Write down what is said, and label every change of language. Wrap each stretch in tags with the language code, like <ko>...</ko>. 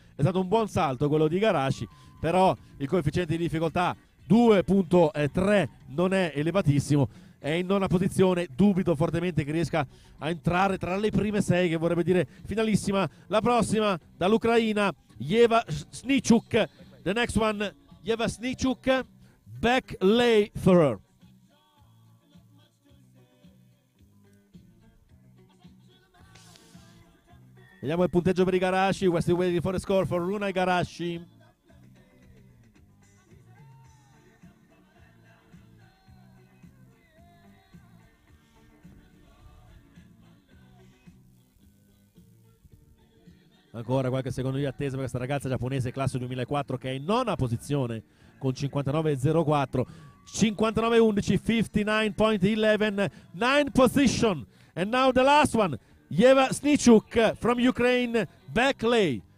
<it>È stato un buon salto quello di Igarashi, però il coefficiente di difficoltà 2.3 non è elevatissimo. È in nona posizione, dubito fortemente che riesca a entrare tra le prime 6, che vorrebbe dire finalissima. La prossima dall'Ucraina, Yeva Snichuk.</it> <en>The next one, Yeva Snichuk, back lay for her.</en> <it>Vediamo il punteggio per Igarashi.</it> <en>West is waiting for a score for Runa Igarashi.</en> <it>Ancora qualche secondo di attesa per questa ragazza giapponese classe 2004, che è in nona posizione con 59.04, 59.11, 59.11,</it> <en>9 position. And now the last one, Yeva Snichuk from Ukraine, back lay.</en>